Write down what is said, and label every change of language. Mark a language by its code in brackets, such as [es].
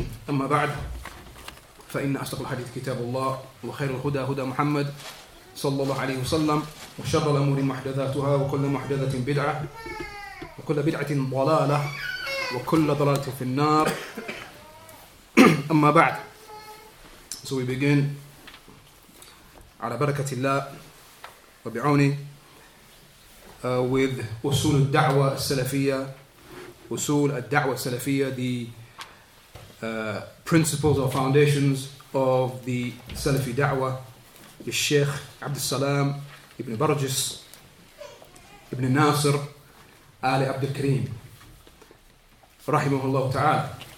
[ar] أما بعد، فإن أصدق الحديث كتاب الله وخير الهدى هدى محمد صلى الله عليه وسلم، وشر الأمور محدثاتها وكل محدثة بدعة وكل بدعة ضلالة وكل ضلالة في النار. أما بعد، [en] so we begin [ar] على بركة الله وبعوني with أصول الدعوة السلفية. أصول الدعوة السلفية، [en] the principles or foundations of the Salafi da'wah. [ar] الشيخ عبد السلام ابن برجس ابن ناصر آل عبد الكريم رحمه الله تعالى.